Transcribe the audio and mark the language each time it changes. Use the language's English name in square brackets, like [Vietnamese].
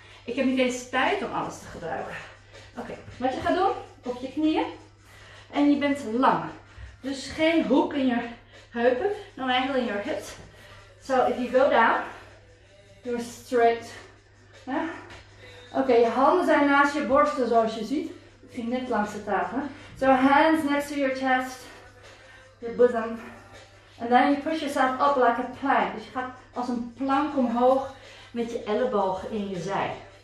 [Dutch] Ik heb niet eens tijd om alles te gebruiken. Oké, okay. Wat je gaat doen, op je knieën. En je bent lang. Dus geen hoek in je heupen. [English] No angle in your hips. So if you go down, do a straight. [Dutch] Ja? Oké, okay, je handen zijn naast je borsten zoals je ziet. Ik ging net langs de tafel. [English] So hands next to your chest. Your bosom. [Dutch] En dan je push jezelf op [English] like a plank. [Dutch] Dus je gaat als een plank omhoog met je elleboog in je zij.